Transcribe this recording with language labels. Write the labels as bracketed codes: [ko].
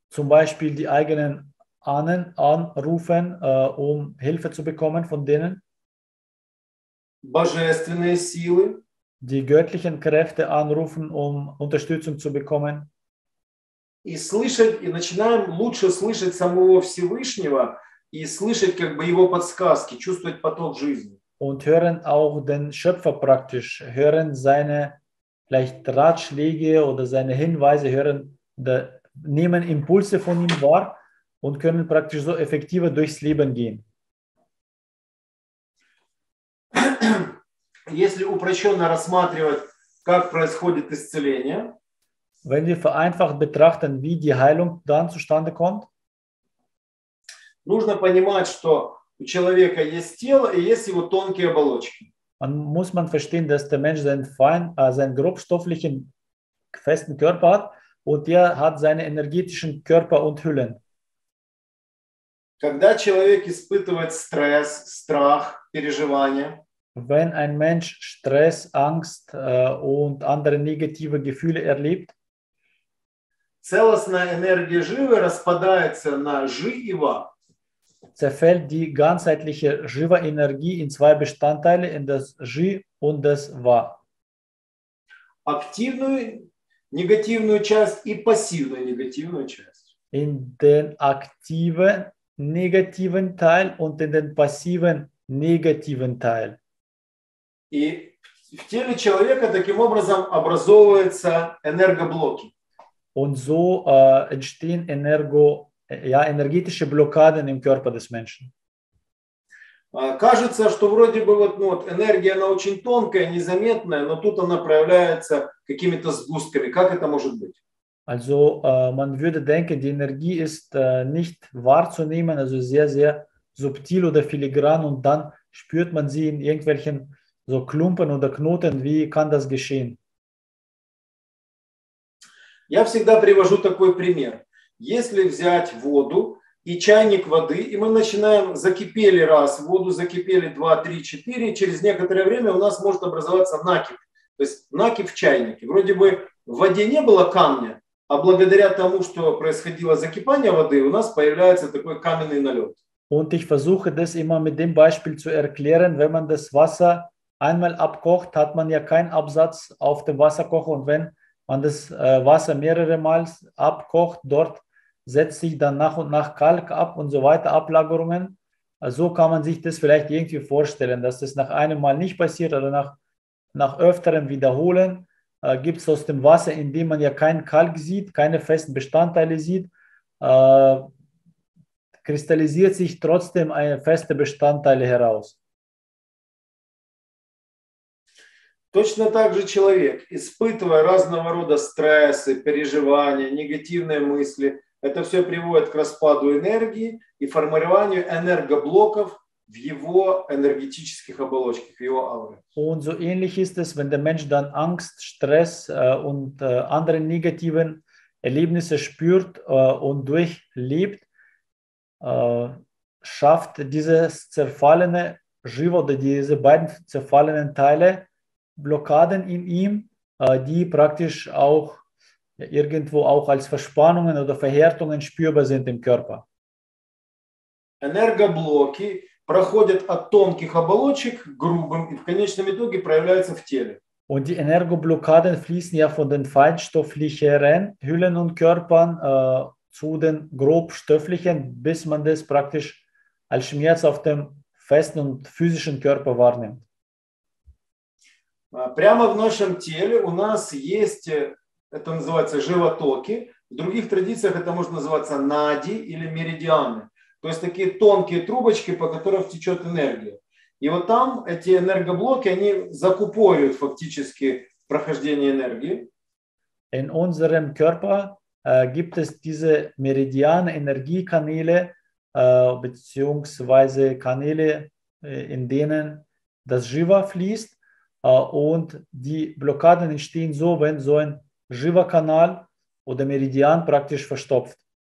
[de] Zum Beispiel die eigenen Ahnen anrufen, um Hilfe zu bekommen von denen. [ru] Божественные силы. [de] Die göttlichen Kräfte anrufen, um Unterstützung zu bekommen. [ru] И слышать, и начинаем лучше слышать самого Всевышнего и слышать как бы его подсказки, чувствовать поток жизни. [de] Und hören auch den Schöpfer praktisch, hören seine vielleicht Ratschläge oder seine Hinweise hören, nehmen Impulse von ihm wahr und können praktisch so effektiver durchs Leben gehen. [ru] Если упрощенно рассматривать, как происходит исцеление, [de] wenn wir vereinfacht betrachten, wie die Heilung dann zustande kommt, [ru] нужно понимать, что у человека есть тело и есть его тонкие оболочки. [de] Muss man verstehen, dass der Mensch seinen grobstofflichen festen Körper hat und er hat seine energetischen Körper und Hüllen. [ru] Когда человек испытывает стресс, страх, переживания, [de] wenn ein Mensch Stress, Angst und andere negative Gefühle erlebt, [ru] целостная энергия живы распадается на жи и ва. [de] Zerfällt die ganzheitliche Shiva-Energie in zwei Bestandteile, in das Ji und das Va. [ru] Aktivную, негативную часть и пассивную негативную часть. [de] In den aktiven negativen Teil und in den passiven negativen Teil. [ru] И в теле человека таким образом образовываются энергоблоки. [de] Und so entstehen energetische Blockaden im Körper des Menschen. [ru] Кажется, что вроде бы вот, ну, вот энергия, она очень тонкая, незаметная, но тут она проявляется какими-то сгустками. Как это может быть? [de] Also, man würde denken, die Energie ist nicht wahrzunehmen, also sehr, sehr subtil oder filigran, und dann spürt man sie in irgendwelchen so Klumpen oder Knoten. Wie kann das geschehen? [ru] Я всегда привожу такой пример. Если взять воду и чайник воды, и мы начинаем, закипели раз, воду закипели два, три, четыре, через некоторое время у нас может образоваться накипь. То есть накипь в чайнике. Вроде бы в воде не было камня, а благодаря тому, что происходило закипание воды, у нас появляется такой каменный налет. [de] Und ich versuche das immer mit dem Beispiel zu erklären, wenn man das Wasser einmal abkocht, hat man ja keinen Absatz auf dem Wasserkocher, und wenn man das Wasser mehrere Mal abkocht, dort setzt sich dann nach und nach Kalk ab und so weiter, Ablagerungen. Also kann man sich das vielleicht irgendwie vorstellen, dass das nach einem Mal nicht passiert oder nach öfteren Wiederholen gibt es aus dem Wasser, in dem man ja keinen Kalk sieht, keine festen Bestandteile sieht, kristallisiert sich trotzdem eine feste Bestandteile heraus. [ru] Точно так же человек, испытывая разного рода стрессы, переживания, негативные мысли, это все приводит к распаду энергии и формированию энергоблоков в его энергетических оболочках, в его ауре. [de] Und so ähnlich ist es, wenn der Mensch dann Angst, Stress und andere negativen Erlebnisse spürt und durchlebt, schafft dieses zerfallene Jiva oder diese beiden zerfallenen Teile Blockaden in ihm, die praktisch auch irgendwo auch als Verspannungen oder Verhärtungen spürbar sind im Körper. [ru] Energieblöcke проходят от тонких оболочек к грубым и в конечном итоге проявляются в теле. [de] Und die Energieblockaden fließen ja von den feinstofflicheren Hüllen und Körpern zu den grobstofflichen, bis man das praktisch als Schmerz auf dem festen und physischen Körper wahrnimmt. [ru] Прямо в нашем теле у нас есть, это называется животоки, в других традициях это может называться нади или меридианы. То есть такие тонкие трубочки, по которым течет энергия. И вот там эти энергоблоки, они закупоривают фактически прохождение энергии. [de] In unserem Körper gibt es diese Meridiane, Energiekanäle, beziehungsweise Kanäle, in denen das Jiva fließt. Und die Blockaden entstehen so, wenn so ein Jiva-Kanal oder Meridian praktisch verstopft.